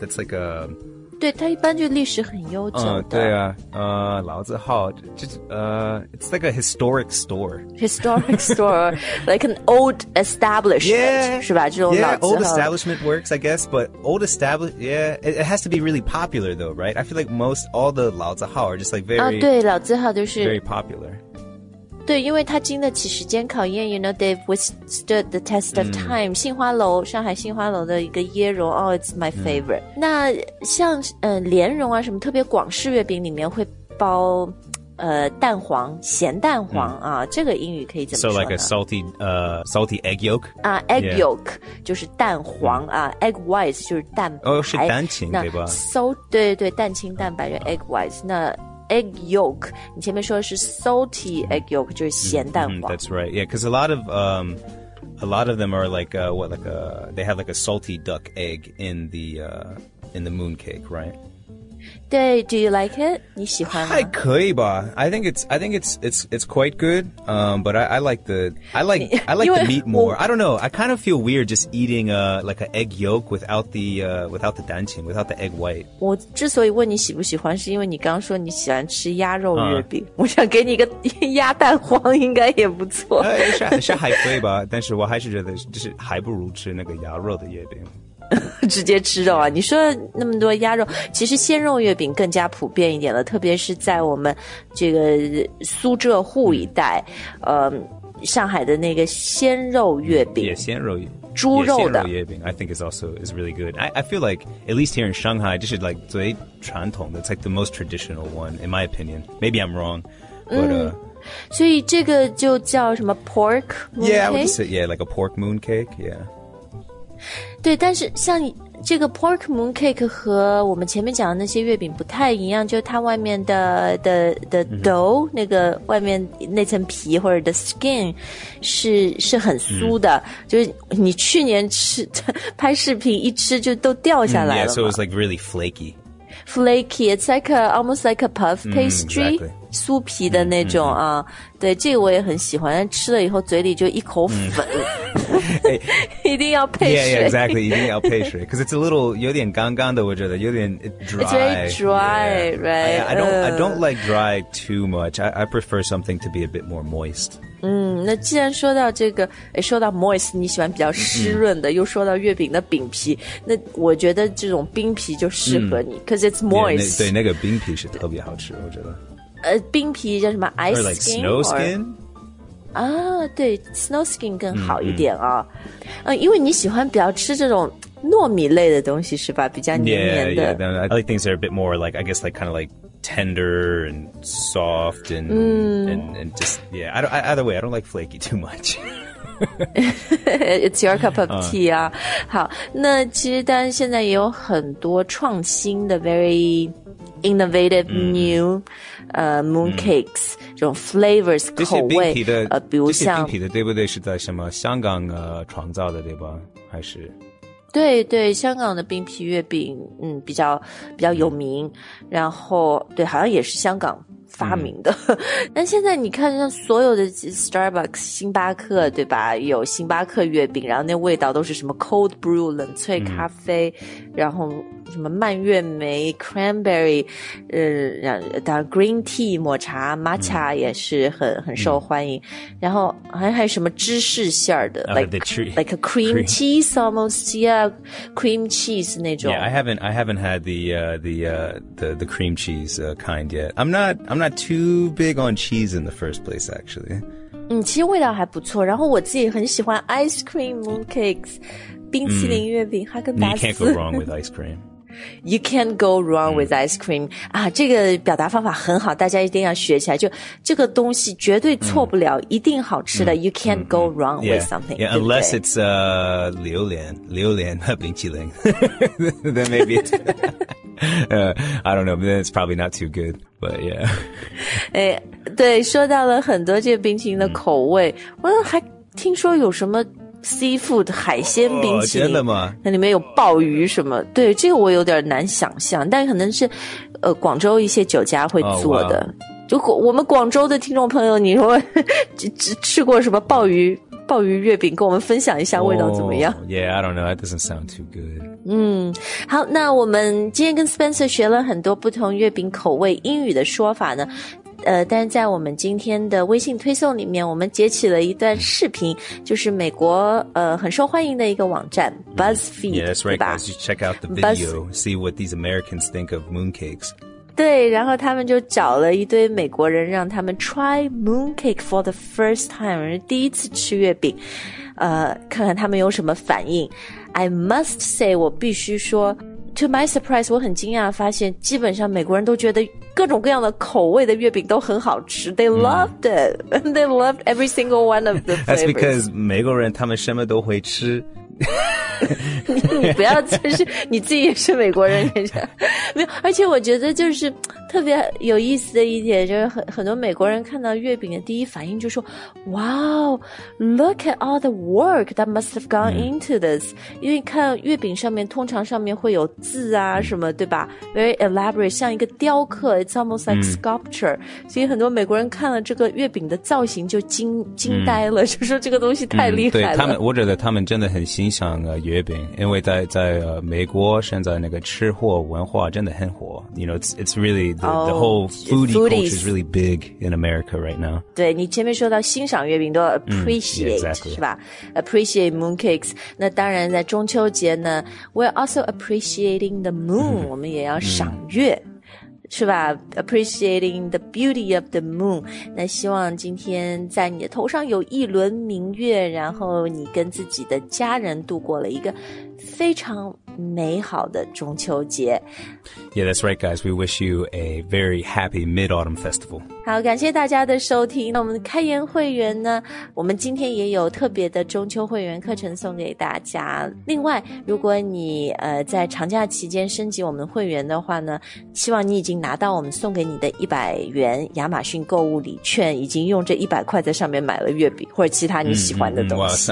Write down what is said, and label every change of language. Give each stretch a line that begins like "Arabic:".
English: That's like a...
Chinese: 对,它一般就历史很悠久的。对啊,老字号,
English: it's like a historic store. Historic store, like an old establishment, yeah,
Chinese: 是吧,这种老字号。
English: Yeah, old establishment works, I guess, but old establishment, yeah, it has to be really popular though, right? I feel like all the 老字号 are just like very...
Chinese: 对,老字号都是...
English: Very popular.
Chinese: 对因为它经得起时间考验
English: you know, they've withstood the test of time.
Chinese: 杏花楼上海杏花楼的一个椰蓉
English: oh, it's my favorite.
Chinese: 那像莲蓉啊什么特别广式月饼里面会包蛋黄咸蛋黄啊这个英语可以怎么说呢
English: So like a salty egg yolk?
Chinese: Egg yolk, 就是蛋黄啊egg whites 就是蛋白。是蛋清对吧对对蛋清蛋白就是egg whites, 那Egg yolk, 你前面说的是 salty egg yolk, 就是咸蛋黄。
English: That's right, yeah, because a lot of them are like, they have like a salty duck egg in the mooncake, right? 对 do you like it?
Chinese: 你喜欢吗？还可以吧。
English: I think it's quite good. But I like the meat more. I don't know. I kind of feel weird just eating like an egg yolk without the 蛋清 without the egg white.
Chinese: 我之所以问你喜不喜欢，是因为你刚说你喜欢吃鸭肉月饼。我想给你一个鸭蛋黄，应该也不错。是还可以吧，但是我还是觉得就是还不如吃那个鸭肉的月饼。直接吃肉啊，你说那么多鸭肉，其实鲜肉月饼更加普遍一点了，特别是在我们这个苏浙沪一带，上海的那个鲜肉月饼，也鲜肉月饼猪肉的
English: 鲜肉月饼 I think is also really good. I feel like at least here in Shanghai, this is like
Chinese: 最传统的,
English: it's like the most traditional one in my opinion. Maybe I'm wrong, but
Chinese: 所以这个就叫什么 pork mooncake?
English: Yeah, I would just say, yeah, like a pork mooncake, yeah.
Chinese: 对，但是像这个 pork moon cake 和我们前面讲的那些月饼不太一样，就它外面的 dough、mm-hmm. 那个外面那层皮或者 the skin 是很酥的、mm-hmm. 就是你去年吃拍视频一吃就都掉下来了、 mm-hmm.
English: Yeah, so it was like really flaky. Flaky, it's like almost like a puff pastry、 mm-hmm, exactly.
Chinese: 酥皮的那种啊、mm-hmm. 对这个我也很喜欢吃了以后嘴里就一口粉、mm-hmm. hey, 一定要配水
English: yeah, yeah, exactly,
Chinese: 一定要配水
English: because it's a little
Chinese: 有点干干的我觉得有点
English: dry It's very dry, yeah. right? I don't like dry too much I prefer something to be a bit more moist
Chinese: 那既然说到这个说到 moist 你喜欢比较湿润的、mm-hmm. 又说到月饼的饼皮那我觉得这种冰皮就适合你 because、mm-hmm.
English: it's moist
Chinese: yeah, 对那个冰皮是特别好吃我觉得冰皮叫什么 ice
English: or、like、 skin snow skin
Chinese: 啊对 snow skin 更好一点啊、mm-hmm. 因为你喜欢比较吃这种糯米类的东西是吧比较黏黏的
English: yeah, yeah, yeah. I like things that are a bit more like I guess like kind of like tender and soft and、mm. and just yeah I don't, either way I don't like flaky too much It's your cup of tea
Chinese: 啊、好那其实但现在也有很多创新的
English: very innovative newmooncakes、
Chinese: mm. 这种 flavors 口味比如像这些冰皮的对不对是在什么香港创造的对吧还是对对香港的冰皮月饼比较有名、mm. 然后对好像也是香港发明的、mm. 但现在你看像所有的 Starbucks 星巴克对吧有星巴克月饼然后那味道都是什么 cold brew 冷萃咖啡、mm. 然后什么蔓越莓 cranberry 当然 green tea 抹茶 matcha 也是很受欢迎、嗯、然后还有什么芝士馅儿的、
English: oh, like, the tree. like a cream, cream cheese almost yeah cream cheese 那种 yeah I haven't had the cream cheese kind yet I'm not too big on cheese in the first place actually
Chinese: 其实味道还不错然后我自己很喜欢 ice cream mooncakes 冰淇淋月饼哈根达斯
English: you can't go wrong with ice cream You can't go wrong with ice cream.、
Chinese: Mm. 啊这个表达方法很好大家一定要学起来就这个东西绝对错不了、mm. 一定好吃的。You can't、mm-hmm. go wrong
English: yeah. with something. Yeah, unless it's, 榴莲冰淇淋。 Then maybe it's, I don't know, then it's probably not too good, but yeah.
Chinese: 对说到了很多这个冰淇淋的口味、mm. 我还听说有什么Seafood 海鲜冰淇淋、真的吗？那里面有鲍鱼什么？对，这个我有点难想象，但可能是，广州一些酒家会做的。
English: Oh, wow.
Chinese: 就我们广州的听众朋友，你说吃过什么鲍鱼？鲍鱼月饼，跟我们分享一下味道怎么样、
English: Yeah, I don't know. That doesn't sound too good.
Chinese: 好，那我们今天跟 Spencer 学了很多不同月饼口味英语的说法呢。但在我们今天的微信推送里面我们截取了一段视频就是美国很受欢迎的一个网站 BuzzFeed
English: Yeah, that's right guys, you check out the video See what these Americans think of mooncakes
Chinese: 对然后他们就找了一堆美国人让他们
English: try mooncake for the first time
Chinese: 第一次吃月饼看看他们有什么反应
English: I must say
Chinese: 我必须说
English: To my surprise,
Chinese: 我很惊讶发现基本上美国人都觉得各种各样的口味的月饼都很好吃。
English: They loved it. They loved every single one of the flavors. That's because
Chinese: 美国人他们什么都会吃。你不要就是你自己也是美国人没有，而且我觉得就是特别有意思的一点，就是很多美国人看到月饼的第一反应就说
English: Wow, look at all the work that must have gone into this.
Chinese: 因为看月饼上面通常上面会有字啊什么，对吧？
English: Very elaborate,
Chinese: 像一个雕刻，
English: It's almost like sculpture.
Chinese: 所以很多美国人看了这个月饼的造型就惊呆了，就说这个东西太厉害了。对，他们，我觉得他们真的很欣赏月饼，因为在美国现在那个吃货文化真的很火。
English: You know, it's really the whole foodie culture is really big in America right now.
Chinese: 对，你前面说到欣赏月饼都 appreciate 是吧？
English: Appreciate mooncakes.
Chinese: 那当然在中秋节呢，
English: we're also appreciating the moon.
Chinese: 我们也要赏月。是吧 ?
English: appreciating the beauty of the moon.
Chinese: 那希望今天在你的头上有一轮明月，然后你跟自己的家人度过了一个非常美好的中秋节。
English: Yeah, that's right, guys. We wish you a very happy Mid-Autumn Festival.
Chinese: 好，感谢大家的收听。那我们开言会员呢，我们今天也有特别的中秋会员课程送给大家。另外，如果你在长假期间升级我们会员的话呢，希望你已经拿到我们送给你的100元亚马逊购物礼券，已经用这100块在上面买了月饼或者其他你喜欢的东西。